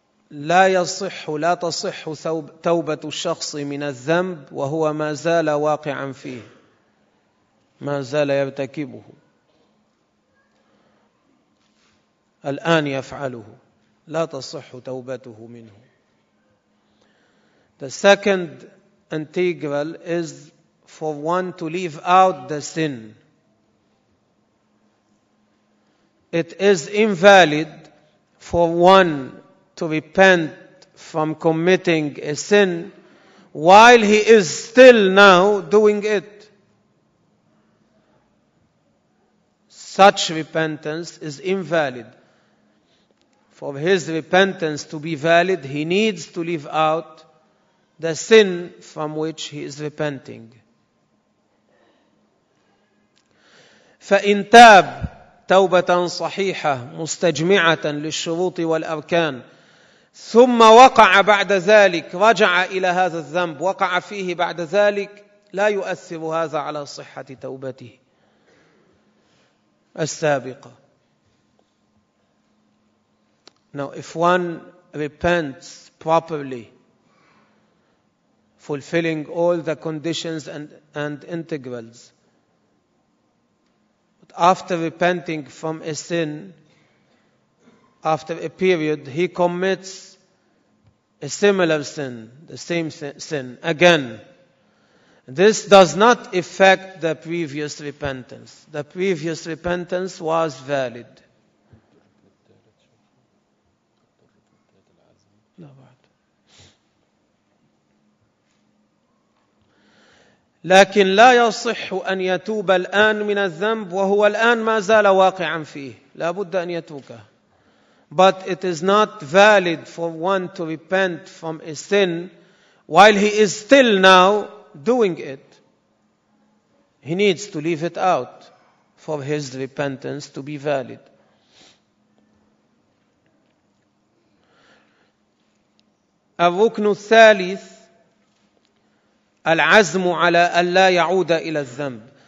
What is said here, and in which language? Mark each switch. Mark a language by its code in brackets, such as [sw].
[ar] لا تصح توبة الشخص من الذنب وهو ما زال واقعا فيه، ما زال يرتكبه الآن يفعله. لا تصح توبته منه. [en] The second integral is for one to leave out the sin. It is invalid for one to repent from committing a sin while he is still now doing it. Such repentance is invalid. For his repentance to be valid, he needs to leave out the sin from which he is repenting. [ar] فإن تاب توبة صحيحة مستجمعة للشروط والأركان ثم وقع بعد ذلك رجع إلى هذا الذنب وقع فيه بعد ذلك لا يؤثر هذا على صحة توبته السابقة. [en] Now if one repents properly, fulfilling all the conditions and integrals, but after repenting from a sin, after a period, he commits a similar sin, the same sin again. This does not affect the previous repentance. The previous repentance was valid. [ar] لكن لا يصح أن يتوب الآن من الذنب وهو الآن ما زال واقعا فيه لا بد أن يتركه. [en] But it is not valid for one to repent from a sin while he is still now doing it. He needs to leave it out for his repentance to be valid. [ar] الركن الثالث العزم على أن لا يعود إلى الذنب.